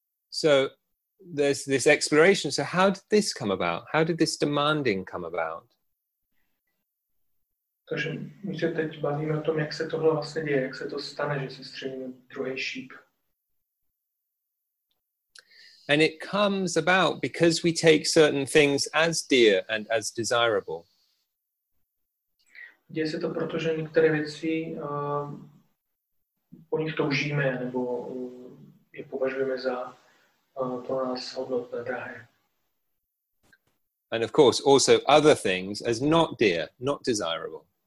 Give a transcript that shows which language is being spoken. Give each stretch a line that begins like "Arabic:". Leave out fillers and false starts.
English: So, there's this exploration. So how did this come about? How did this demanding come about?
Czech: Takže my se teď bavíme o tom, jak se tohle vlastně děje, jak se to stane, že se střílíme druhý šíp.
English: And it comes about because we take certain things as dear and as desirable.
Czech: Děje se to proto, že některé věci po nich toužíme nebo je považujeme za
English: And of course, also other things as not dear, not desirable.